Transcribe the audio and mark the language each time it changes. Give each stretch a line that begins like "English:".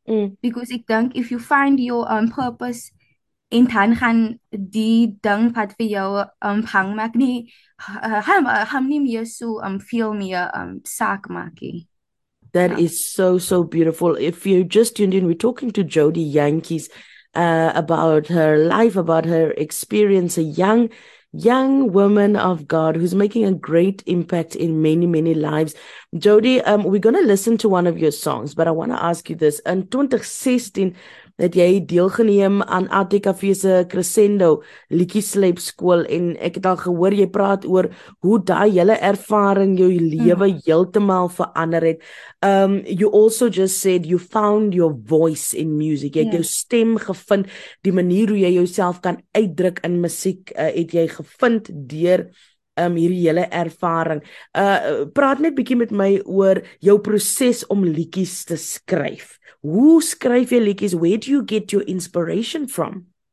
Afrikaans: Because ek dink
English: if you find your purpose
Afrikaans: en dan gaan die ding wat vir jou hang maak nie hom nie meer so veel meer saak maak nie.
English: That is so, so beautiful. If you just tuned in, we're talking to Jody Yankees about her life, about her experience, a young woman of God who's making a great impact in many, many lives. Jody, we're going to listen to one of your songs, but I want to ask you this.
Afrikaans: In 2016, het jy deelgeneem aan ATKV se Crescendo Liedjie-sleep skool en ek het al gehoor jy praat oor hoe daai hele ervaring jou lewe heeltemal verander het.
English: You also just said you found your voice in music.
Afrikaans: Jy het jou stem gevind, die manier hoe jy jouself kan uitdruk in musiek, het jy gevind deur hierdie hele ervaring. Praat net bietjie met my oor jou proses om liedjies te skryf.
English: Who
Afrikaans: skryf jy liedjies?
English: Where do you get your inspiration from?